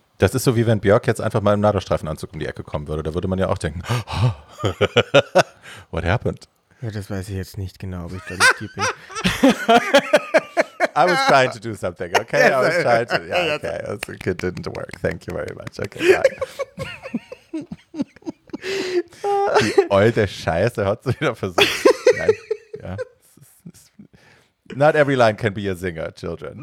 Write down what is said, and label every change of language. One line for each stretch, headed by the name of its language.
German: Das ist so, wie wenn Björk jetzt einfach mal im Nadelstreifenanzug um die Ecke kommen würde. Da würde man ja auch denken, oh,
English: what happened?
German: Ja, das weiß ich jetzt nicht genau, ob ich da richtig bin.
English: I was trying to do something, okay? Yes, I was trying to, yeah, okay. Yes. It didn't work. Thank you very much.
German: Okay, die alte Scheiße hat es wieder versucht. Nein. Ja.
English: Not every line can be a singer, children.